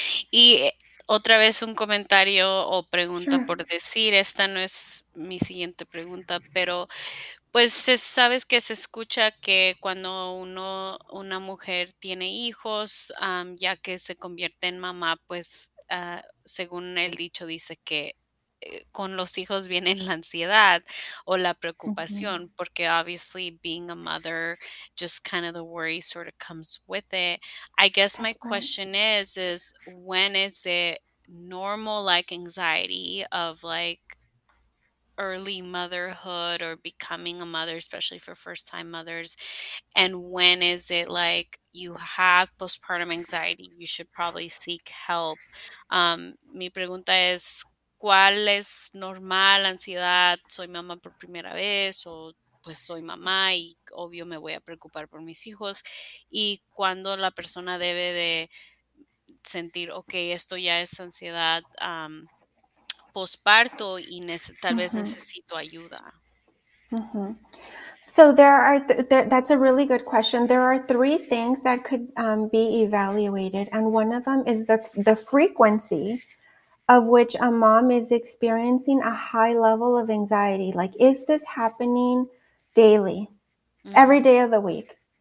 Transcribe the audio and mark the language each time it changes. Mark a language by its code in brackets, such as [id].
[es] Y otra vez un comentario o pregunta por decir, esta no es mi siguiente pregunta, pero pues sabes que se escucha que cuando una mujer tiene hijos, ya que se convierte en mamá, pues según el dicho dice que con los hijos viene la ansiedad o la preocupación, mm-hmm. porque [en] obviously being a mother, just kind of the worry sort of comes with it. I guess my question is when is it normal like anxiety of like early motherhood or becoming a mother, especially for first time mothers? And when is it like you have postpartum anxiety, you should probably seek help? [es] Mi pregunta es, ¿cuál es normal ansiedad? ¿Soy mamá por primera vez? ¿O pues soy mamá y obvio me voy a preocupar por mis hijos? ¿Y cuándo la persona debe de sentir, okay, esto ya es ansiedad postparto y tal vez necesito ayuda? Uh-huh. [en] So there are, that's a really good question. There are three things that could be evaluated. And one of them is the frequency of which a mom is experiencing a high level of anxiety. Like, is this happening daily, every day of the week?